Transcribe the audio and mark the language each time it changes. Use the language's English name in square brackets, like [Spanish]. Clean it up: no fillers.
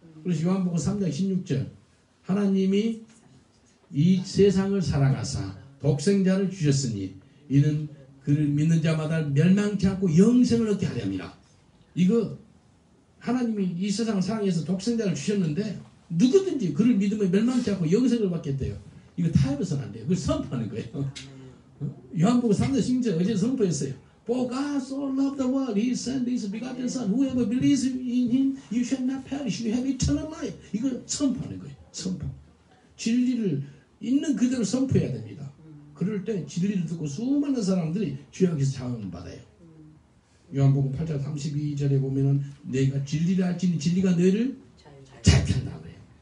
[Korean] 그래서 요한복음 3장 16절 하나님이 이 세상을 사랑하사 독생자를 주셨으니 이는 그를 믿는 자마다 멸망치 않고 영생을 얻게 하려함이라. 이거 하나님이 이 세상을 사랑해서 독생자를 주셨는데 누구든지 그를 믿으면 멸망치 않고 영생을 받겠대요. 이거 타협해서는 안 돼요. 그걸 선포하는 거예요. 요한복음 3장 16절 어제 선포했어요. [English] For God so loved the world, He sent His begotten Son. Whoever believes in Him, you shall not perish. You have eternal life. [Korean] 이걸 선포하는 거예요. 선포. 진리를 있는 그대로 선포해야 됩니다. 그럴 때 진리를 듣고 수많은 사람들이 주님께서 자원을 받아요. 요한복음 8장 32절에 보면은 내가 진리를 알지니 진리가 너희를 자유한다 그래요.